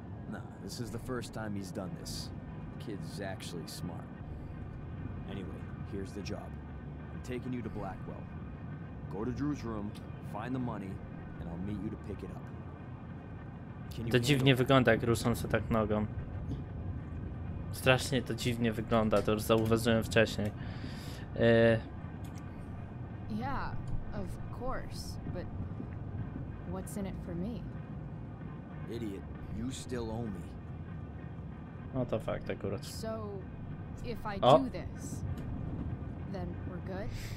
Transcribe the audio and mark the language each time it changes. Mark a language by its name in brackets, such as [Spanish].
[English] Nah, this is the first time he's done this. Kid's actually smart. Anyway, here's the job. I'm taking you to Blackwell. Go to Drew's room, find the money, and I'll meet you to pick it up. [Polish] To dziwnie wygląda, jak ruszą się tak nogą. Strasznie to dziwnie wygląda, to już zauważyłem wcześniej. [English] Yeah, of course, but what's in it for me? Idiot, you still owe me. [Polish] No to fakt akurat. [English] So, if I do this, then we're good?